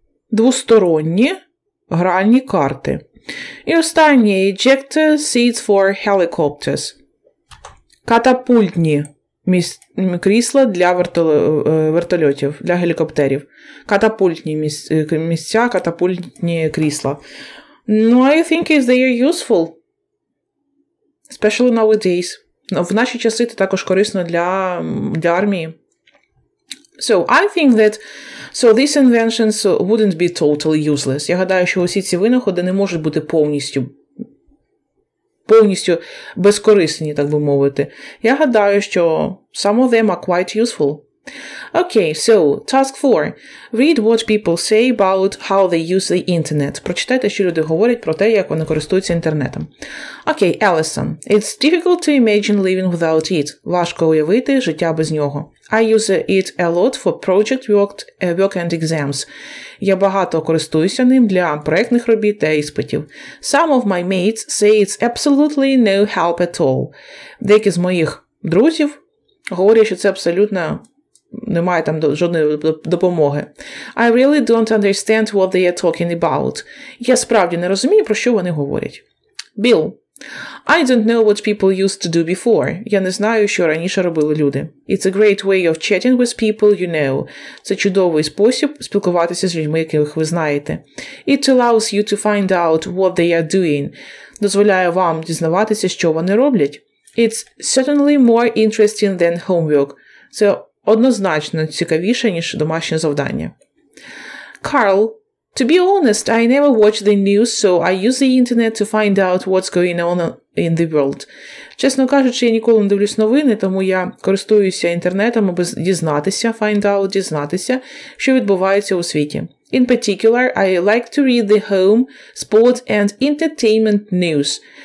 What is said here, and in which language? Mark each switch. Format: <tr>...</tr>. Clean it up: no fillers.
<uk>Двосторонні гральні карти. І останні.</uk> <en>Ejector seats for helicopters.</en> <uk>Катапультні крісла для вертольотів, для гелікоптерів. Катапультні місця, катапультні крісла.</uk> <en>No, I think they are useful. Especially nowadays.</en> <uk>В наші часи це також корисно для армії.</uk> <en>So, I think that these inventions wouldn't be totally useless.</en> <uk>Я гадаю, що усі ці винаходи не можуть бути повністю безкорисні, так би мовити. Я гадаю, що</uk> <en>some of them are quite useful. Okay, so, task 4. Read what people say about how they use the internet.</en> <uk>Прочитайте, що люди говорять про те, як вони користуються інтернетом.</uk> <en>Okay, Allison. It's difficult to imagine living without it.</en> <uk>Важко уявити життя без нього.</uk> <en>I use it a lot for project work and exams.</en> <uk>Я багато користуюся ним для проєктних робіт та іспитів.</uk> <en>Some of my mates say it's absolutely no help at all.</en> <uk>Деякі з моїх друзів говорять, що це абсолютно немає там жодної допомоги.</uk> <en>I really don't understand what they are talking about.</en> <uk>Я справді не розумію, про що вони говорять.</uk> <en>Bill. I don't know what people used to do before.</en> <uk>Я не знаю, що раніше робили люди.</uk> <en>It's a great way of chatting with people you know.</en> <uk>Це чудовий спосіб спілкуватися з людьми, яких ви знаєте.</uk> <en>It allows you to find out what they are doing.</en> <uk>Дозволяє вам дізнаватися, що вони роблять.</uk> <en>It's certainly more interesting than homework.</en> <uk>Це однозначно цікавіше, ніж домашнє завдання.</uk> <en>Carl. To be honest, I never watch the news, so I use the internet to find out what's going on in the world.</en> <uk>Чесно кажучи, я ніколи не дивлюсь новини, тому я користуюся інтернетом, аби дізнатися,</uk> <en>find out,</en> <uk>дізнатися, що відбувається у світі.</uk> <en>In particular, I like to read the home, sports and entertainment news.</en>